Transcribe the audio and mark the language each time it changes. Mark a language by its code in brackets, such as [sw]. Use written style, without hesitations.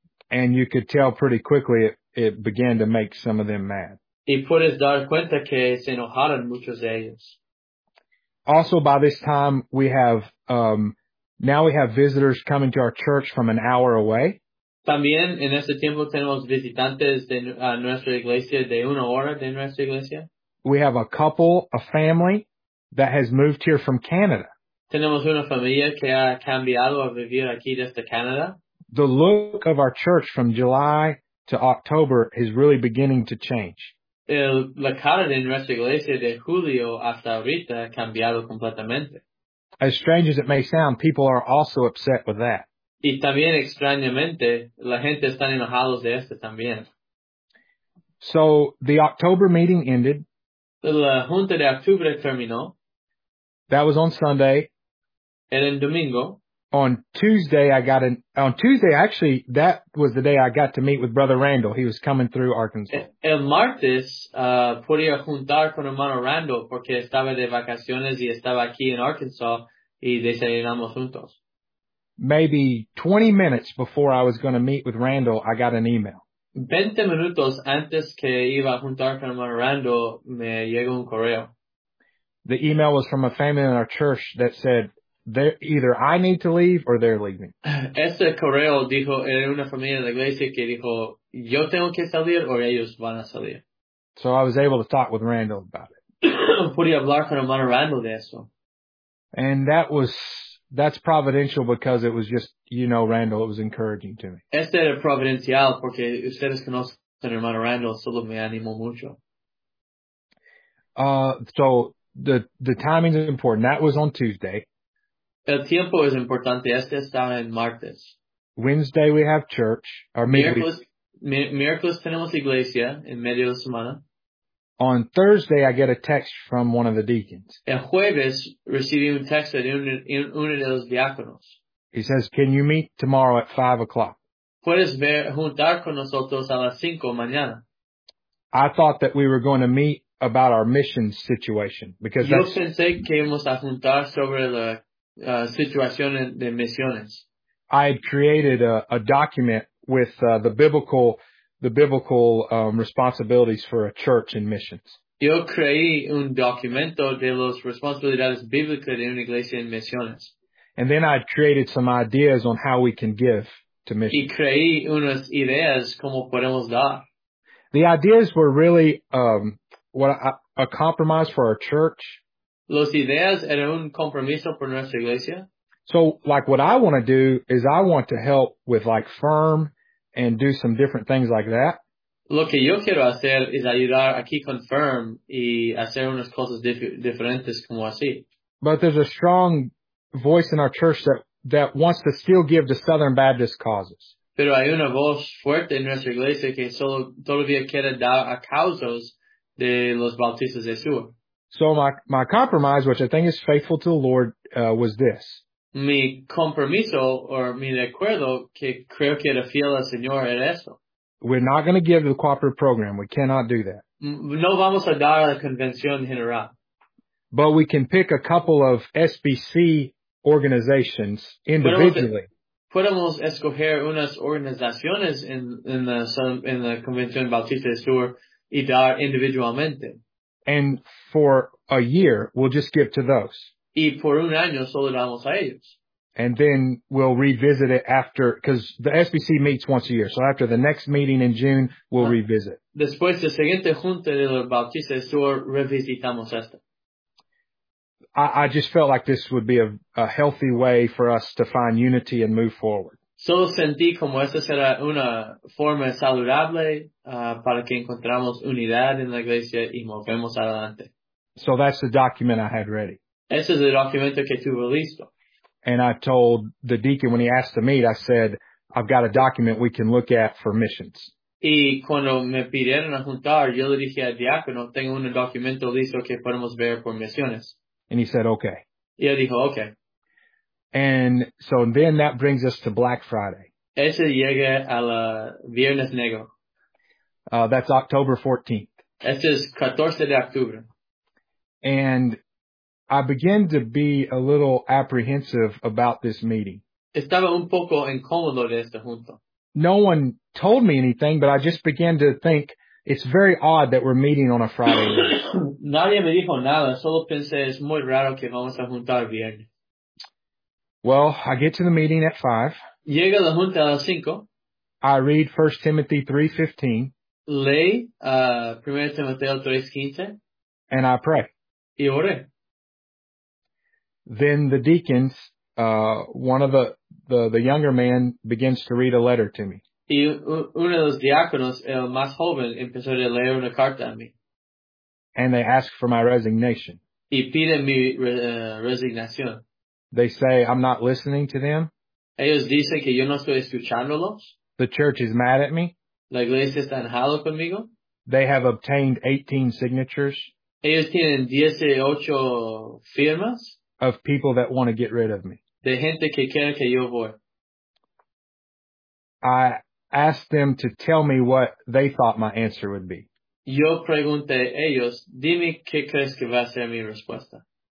[en] And you could tell pretty quickly it began to make some of them mad. [es] Y puedes dar cuenta que se enojaron muchos de ellos. [en] Also, by this time, we have, now we have visitors coming to our church from an hour away. [es] También en ese tiempo tenemos visitantes de nuestra iglesia de una hora de nuestra iglesia. [en] We have a couple, a family, that has moved here from Canada. [es] Tenemos una familia que ha cambiado a vivir aquí desde Canadá. [en] The look of our church from July to October is really beginning to change. [es] La cara de nuestra iglesia de julio hasta ahorita ha cambiado completamente. [en] As strange as it may sound, people are also upset with that. [es] Y también extrañamente, la gente está enojada de esto también. [en] So, the October meeting ended. [es] La junta de octubre terminó. [en] That was on Sunday. [es] Era en domingo. [en] On Tuesday, actually, that was the day I got to meet with Brother Randall. He was coming through Arkansas. [es] El martes, podía juntar con hermano Randall porque estaba de vacaciones y estaba aquí en Arkansas y desayunamos juntos. [en] Maybe 20 minutes before I was going to meet with Randall, I got an email. [es] 20 minutos antes que iba a juntar con hermano Randall, me llegó un correo. [en] The email was from a family in our church that said, they're either I need to leave or they're leaving. [es] Este correo dijo era una familia de la iglesia que dijo yo tengo que salir o ellos van a salir. [en] So I was able to talk with Randall about it. [es] Pude hablar con hermano Randall de eso. [en] And that's providential because it was just, you know, Randall, it was encouraging to me. [es] Este era providencial porque ustedes conocen hermano Randall, solo me animó mucho. [en] So the timing is important. That was on Tuesday. [es] El tiempo es importante. Este está en martes. [en] Wednesday we have church. [es] Miércoles tenemos iglesia en medio de semana. [en] On Thursday I get a text from one of the deacons. [es] El jueves recibí un texto de uno de los diáconos. [en] He says, can you meet tomorrow at 5 o'clock? [es] Puedes juntar con nosotros a las 5 mañana. [en] I thought that we were going to meet about our mission situation. Because [es] yo pensé que íbamos a juntar sobre la situación de misiones. [en] I had created a document with the biblical responsibilities for a church and missions. [es] Yo creé un documento de las responsabilidades bíblicas de una iglesia en misiones. [en] And then I created some ideas on how we can give to missions. [es] Y creé unas ideas como podemos dar. [en] The ideas were really a compromise for our church. [es] Los ideas eran un compromiso por nuestra iglesia. [en] So, like, what I want to do is I want to help with, like, FIRM and do some different things like that. [es] Lo que yo quiero hacer es ayudar aquí con FIRM y hacer unas cosas diferentes como así. [en] But there's a strong voice in our church that wants to still give to Southern Baptist causes. [es] Pero hay una voz fuerte en nuestra iglesia que solo todavía quiere dar a causas de los bautistas de sur. [en] So my compromise, which I think is faithful to the Lord, was this. [es] Mi compromiso, or mi acuerdo, que creo que era fiel al Señor, era eso. [en] We're not going to give to the cooperative program. We cannot do that. [es] No vamos a dar a la convención general. [en] But we can pick a couple of SBC organizations individually. [es] Podemos escoger unas organizaciones en la convención Bautista del Sur y dar individualmente. [en] And for a year, we'll just give to those. [es] Y por un año solo damos a ellos. [en] And then we'll revisit it after, because the SBC meets once a year. So after the next meeting in June, we'll revisit. [es] Después de la siguiente junta de los bautistas, solo revisitamos esto. [en] I just felt like this would be a healthy way for us to find unity and move forward. [es] Solo sentí como esta será una forma saludable para que encontramos unidad en la iglesia y movemos adelante. [en] So that's the document I had ready. [es] Ese es el documento que tuve listo. [en] And I told the deacon when he asked to meet, I said, I've got a document we can look at for missions. [es] Y cuando me pidieron a juntar, yo le dije al diácono, tengo un documento listo que podemos ver por misiones. [en] And he said, okay. [es] Y él dijo, okay. [en] And so then that brings us to Black Friday. [es] Ese llega a la Viernes Negro. [en] That's October 14th. [es] Este es 14 de octubre. [en] And I begin to be a little apprehensive about this meeting. [es] Estaba un poco incómodo de esta junta. [en] no one told me anything, but I just began to think it's very odd that we're meeting on a Friday night. [es] Nadie me dijo nada. Solo pensé, es muy raro que vamos a juntar viernes. [en] Well, I get to the meeting at 5. [es] Llega la junta a las 5. [en] I read 1 Timothy 3:15. [es] Leí 1 Timoteo 3:15. [en] And I pray. [es] Y oré. [en] Then the deacons, one of the younger men begins to read a letter to me. [es] Y uno de los diáconos, el más joven, empezó a leer una carta a mí. [en] And they ask for my resignation. [es] Y piden mi resignación. [en] They say I'm not listening to them. [es] Ellos dicen que yo no estoy escuchándolos. [en] The church is mad at me. [es] La iglesia está enojada conmigo. [en] They have obtained 18 signatures. [es] Ellos tienen 18 firmas. [en] Of people that want to get rid of me. [es] De gente que quiere que yo voy. [en] I asked them to tell me what they thought my answer would be. [es] Yo pregunté a ellos, dime qué crees que va a ser mi respuesta.